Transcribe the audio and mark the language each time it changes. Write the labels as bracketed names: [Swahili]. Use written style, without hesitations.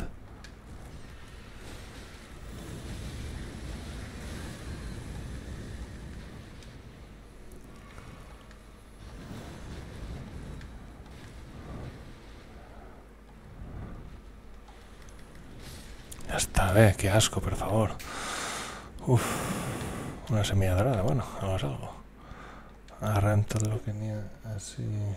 [Catalan] Ja està bé, [Spanish] que asco, [Catalan] per favor. [Spanish] Uf, una semilla dorada, bueno, algo es algo. [Catalan] Agarrem tot el que n'hi ha, així...